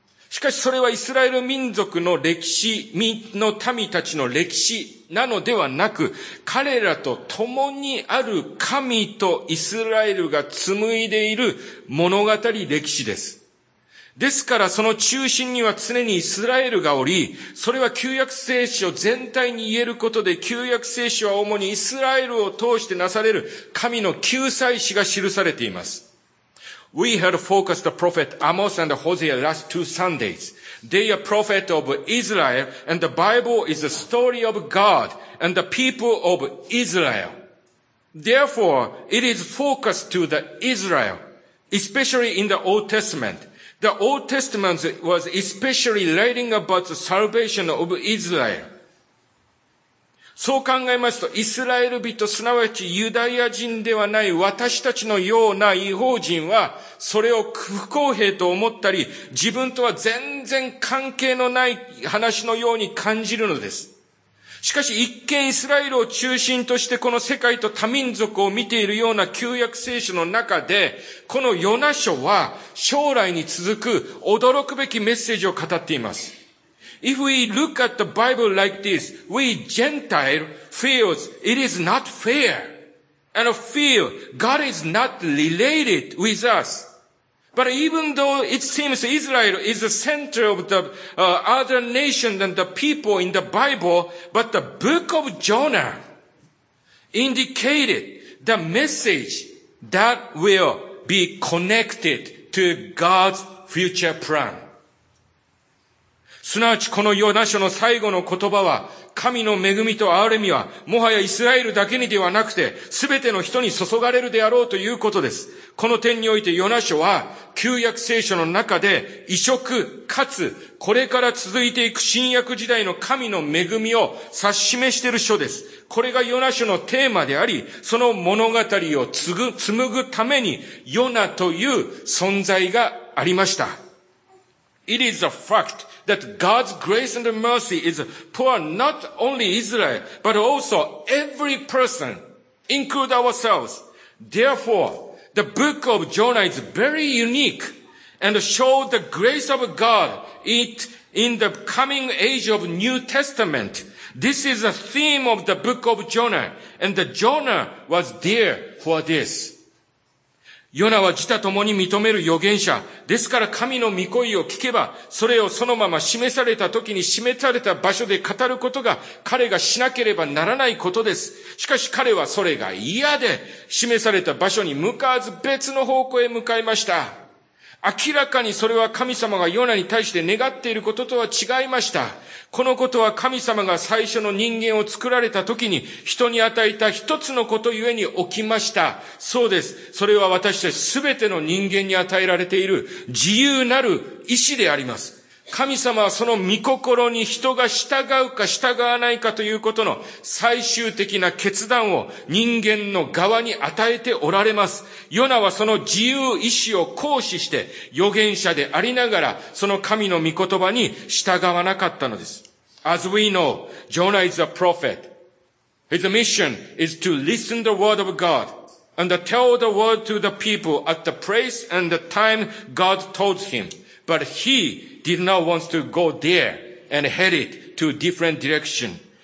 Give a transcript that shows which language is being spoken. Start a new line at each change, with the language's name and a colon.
Japanese: しかしそれはイスラエル民族の歴史、民の民たちの歴史なのではなく、彼らと共にある神とイスラエルが紡いでいる物語歴史です。ですからその中心には常にイスラエルがおり、それは旧約聖書全体に言えることで、旧約聖書は主にイスラエルを通してなされる神の救済史が記されています。
English: We had focused the prophet Amos and Hosea last two Sundays. They are prophet of Israel, and the Bible is a story of God and the people of Israel. Therefore, it is focused to the Israel, especially in the Old Testament. The Old Testament was especially writing about the salvation of Israel.
Japanese: そう考えますと、イスラエル人、すなわちユダヤ人ではない私たちのような異邦人は、それを不公平と思ったり、自分とは全然関係のない話のように感じるのです。しかし、一見イスラエルを中心としてこの世界と多民族を見ているような旧約聖書の中で、このヨナ書は将来に続く驚くべきメッセージを語っています。
English: If we look at the Bible like this, we Gentile feels it is not fair and feel God is not related with us. But even though it seems Israel is the center of the other nations and the people in the Bible, but the book of Jonah indicated the message that will be connected to God's future plan.
Japanese: すなわちこのヨナ書の最後の言葉は、神の恵みと憐れみはもはやイスラエルだけにではなくて、すべての人に注がれるであろうということです。この点においてヨナ書は、旧約聖書の中で異色かつこれから続いていく新約時代の神の恵みを指し示している書です。これがヨナ書のテーマであり、その物語を紡ぐためにヨナという存在がありました。
English: It is a fact that God's grace and mercy is poor not only Israel, but also every person, include ourselves. Therefore, the book of Jonah is very unique and shows the grace of God in the coming age of New Testament. This is the theme of the book of Jonah, and the Jonah was there for this.
Japanese: ヨナは自他共に認める預言者。ですから神の御声を聞けば、それをそのまま示された時に示された場所で語ることが彼がしなければならないことです。しかし彼はそれが嫌で、示された場所に向かわず別の方向へ向かいました。明らかにそれは神様がヨナに対して願っていることとは違いました。このことは神様が最初の人間を作られた時に人に与えた一つのことゆえに起きました。そうです。それは私たちすべての人間に与えられている自由なる意志であります。神様はその御心に人が従うか従わないかということの最終的な決断を人間の側に与えておられます。ヨナはその自由意志を行使して預言者でありながらその神の御言葉に従わなかったのです。
English: As we know, Jonah is a prophet. His mission is to listen to the word of God and tell the word to the people at the place and the time God told him. But he... did not want to go there and head it to a different direction.